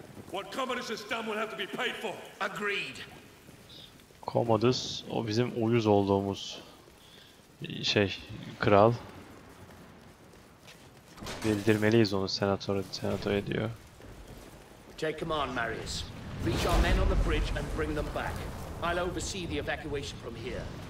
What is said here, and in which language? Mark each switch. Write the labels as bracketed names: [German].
[English] What Commodus has done will have to be paid for. Agreed. [Turkish] Commodus, o bizim uyuz olduğumuz şey, kral. Bildirmeliyiz onu senatora, senatoya diyor. [English] Take command, Marius. Reach our men on the bridge and bring them back. I'll oversee the evacuation from here.